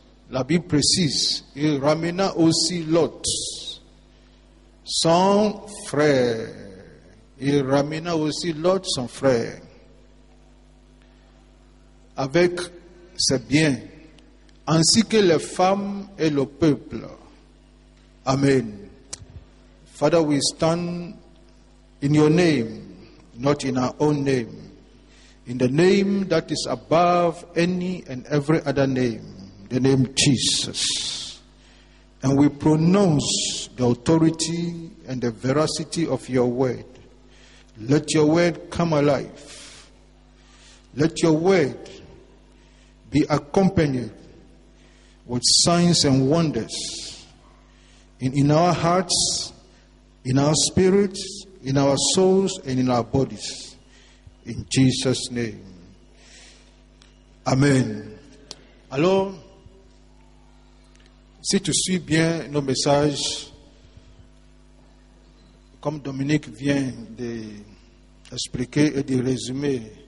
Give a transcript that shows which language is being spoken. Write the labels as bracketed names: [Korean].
[French] La Bible précise. Il ramena aussi Lot, son frère. Il ramena aussi Lot, son frère, avec ses biens, ainsi que les femmes et le peuple. Amen. [English] Father, we stand in your name, not in our own name, in the name that is above any and every other name, the name Jesus. And we pronounce the authority and the veracity of your word. Let your word come alive. Let your word be accompanied with signs and wonders in our hearts, in our spirits, in our souls, and in our bodies. In Jesus' name. Amen. [French] Alors, si tu suis bien nos messages, comme Dominique vient d'expliquer et de résumer